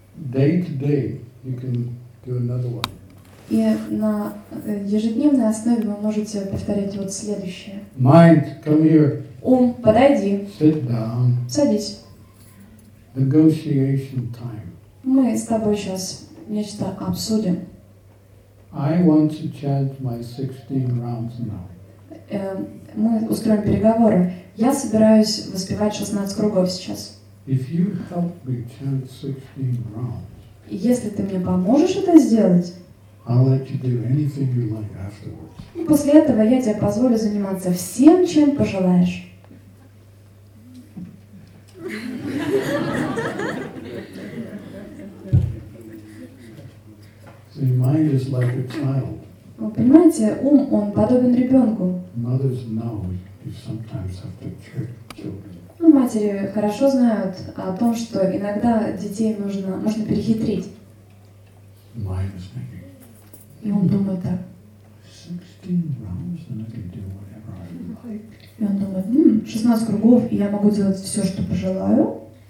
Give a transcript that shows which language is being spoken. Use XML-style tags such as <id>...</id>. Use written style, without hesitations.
<en>Day to day, you can do another one.</en> <ru>И на ежедневной основе вы можете повторять вот следующее.</ru> <en>Mind, come here.</en> <ru>Ум, подойди.</ru> <en>Sit down.</en> <ru>Садись.</ru> <en>Negotiation time.</en> <ru>Мы с тобой сейчас нечто обсудим.</ru> <en>I want to charge my 16 rounds now.</en> <ru>Мы устроим переговоры. Я собираюсь воспевать 16 кругов сейчас.</ru> <en>If you help me chant 16 rounds,</en> <ru>если ты мне поможешь это сделать,</ru> <en>I'll let you do anything you like afterwards.</en> <ru>После этого я тебе позволю заниматься всем, чем пожелаешь.</ru> <en>See, mind is like a child.</en> <ru>Вы понимаете, ум, он подобен ребенку.</ru> <en>Mothers know you sometimes have to check children.</en> <ru>Матери хорошо знают о том, что иногда детей можно перехитрить. И он думает так. И он думает, 16 кругов, и я могу делать все, что пожелаю.</ru>